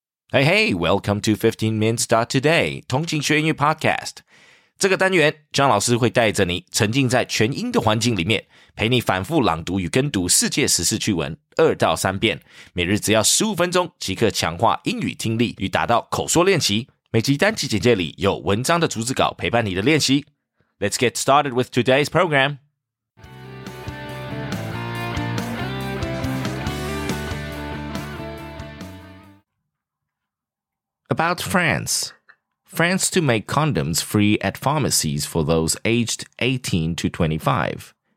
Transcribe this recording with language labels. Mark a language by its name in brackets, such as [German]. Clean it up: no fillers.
[English] Hey, hey, welcome to 15minutes.today, 同情学英语 podcast。 [Chinese] 这个单元，张老师会带着你沉浸在全英的环境里面，陪你反复朗读与跟读世界时事趣闻二到三遍，每日只要15分钟，即刻强化英语听力与达到口说练习。每集单集简介里有文章的逐字稿陪伴你的练习。 [English] Let's get started with today's program。 About France. France to make condoms free at pharmacies for those aged 18 to 25.